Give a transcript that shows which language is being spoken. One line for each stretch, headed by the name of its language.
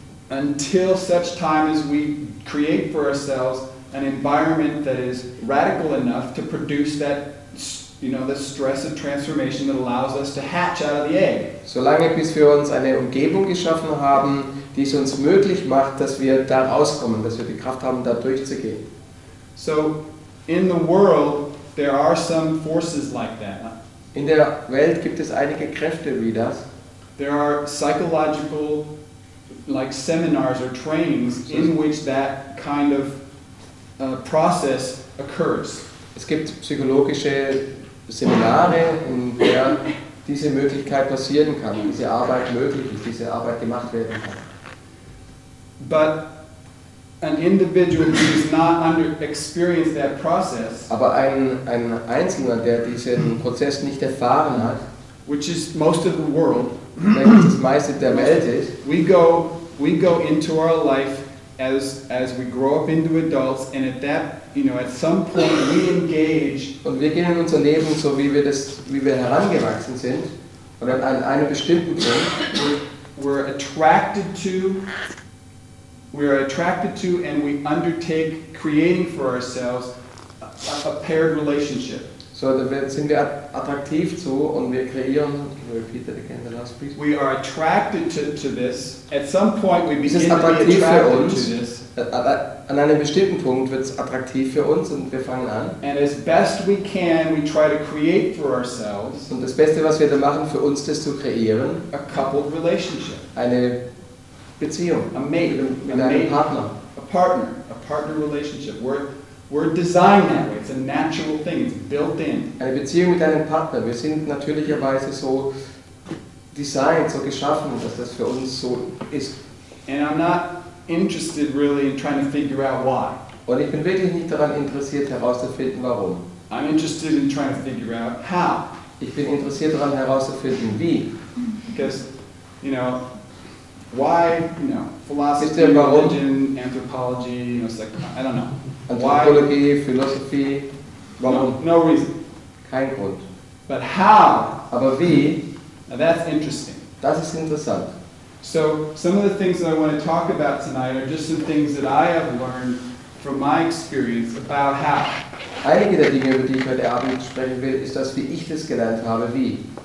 English: Until such time as we create for ourselves an environment that is radical enough to produce that, you know, the stress of transformation that allows us to hatch out of the egg.
German: Solange bis wir uns eine Umgebung geschaffen haben, die es uns möglich macht, dass wir da rauskommen, dass wir die Kraft haben, da durchzugehen.
English: So in the world there are some forces like that.
German: In der Welt gibt es einige Kräfte wie das.
English: There are psychological like seminars or trainings in which that kind of process occurs.
German: Es gibt psychologische Seminare, in der diese Möglichkeit passieren kann, diese Arbeit möglich ist, diese Arbeit gemacht werden kann.
English: But an individual who is not under experienced that process.
German: Aber ein Einzelner, der diesen Prozess nicht erfahren hat,
English: which is most of the world,
German: das meiste der Welt ist,
English: we go into our life as we grow up into adults, and at that, you know, at some point we engage.
German: Und wir gehen in unser Leben so, wie wir herangewachsen sind, und an einem bestimmten Punkt
English: we're attracted to we are attracted to and we undertake creating for ourselves a paired relationship.
German: So sind wir attraktiv zu und wir kreieren,
English: can you repeat that again, the last piece? We are attracted to this. At some point we begin to be attracted
German: für uns,
English: to this.
German: An einem bestimmten Punkt wird es attraktiv für uns und wir fangen an.
English: And as best we can, we try to create for ourselves.
German: Und das Beste, was wir da machen, für uns das zu kreieren.
English: A coupled relationship.
German: Eine Beziehung.
English: A mate.
German: Mit einem Partner.
English: A partner. A partner relationship. We're designed that way. It's a natural thing. It's built in.
German: Eine Beziehung mit einem Partner. Wir sind natürlicherweise so designed, so geschaffen, dass das für uns so ist.
English: And I'm not interested really in trying to figure out why.
German: Und ich bin wirklich nicht daran interessiert, herauszufinden, warum.
English: I'm interested in trying to figure out how.
German: Ich bin interessiert daran, herauszufinden, wie.
English: Because, you know, why, you know, philosophy, religion, anthropology, you know, psychology, I don't know.
German: Anthropologie,
English: why? Philosophy,
German: warum?
English: No reason.
German: Kein Grund.
English: But how?
German: Aber wie?
English: Now that's interesting.
German: Das ist interessant.
English: So some of the things that I want to talk about tonight are just some things that I have learned from my experience about how.
German: Einige der Dinge, über die ich heute Abend sprechen will, ist das, wie ich das gelernt habe, wie.